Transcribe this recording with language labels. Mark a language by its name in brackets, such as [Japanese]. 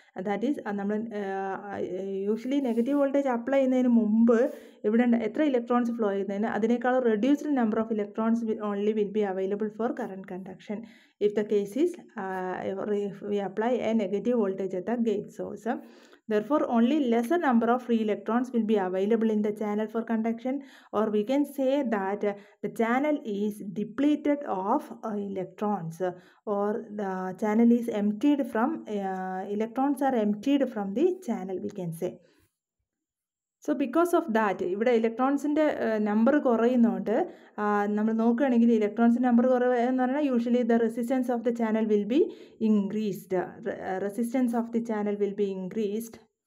[English] that is [Malayalam] നമ്മൾ usually negative voltage apply ചെയ്യുന്നതിന് മുമ്പ് ഇവിടെ എത്ര ഇലക്ട്രോൺസ് ഫ്ലോ ചെയ്യുന്നതിന് അതിനേക്കാൾ [English] Reduced number of electrons only will be available for current conduction if the case is we apply a negative voltage at the gate source. Therefore, only lesser number of free electrons will be available in the channel for conduction, or we can say that the channel is depleted of electrons, or the channel is emptied from, electrons are emptied from the channel, we can say. So because of that [Malayalam] ഇവിടെ ഇലക്ട്രോൺസിൻ്റെ number കുറയുന്നതുകൊണ്ട് നമ്മൾ നോക്കുകയാണെങ്കിൽ ഇലക്ട്രോൺസിൻ്റെ number കുറവ് എന്ന് പറഞ്ഞാൽ [English] Usually the resistance of the channel will be increased. Resistance of the channel will be increased.